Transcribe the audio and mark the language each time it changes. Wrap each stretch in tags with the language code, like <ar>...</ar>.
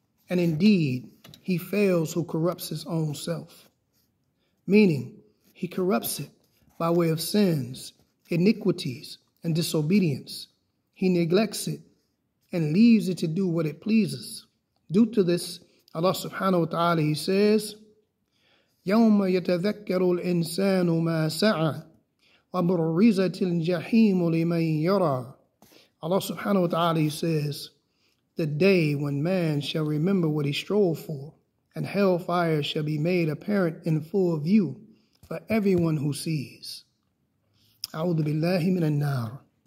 <en>And indeed, he fails who corrupts his own self. Meaning, he corrupts it by way of sins, iniquities, and disobedience. He neglects it and leaves it to do what it pleases. Due to this, Allah subhanahu wa ta'ala, he says,</en> <ar>يَوْمَ يَتَذَكَّرُ الْإِنسَانُ مَا سَعَى وَبُرِّزَتِ الْجَحِيمُ لِمَنْ يَرَى.</ar> <en>Allah subhanahu wa ta'ala, he says, the day when man shall remember what he strove for, and hellfire shall be made apparent in full view for everyone who sees.</en> <ar>أعوذ بالله من النار.</ar>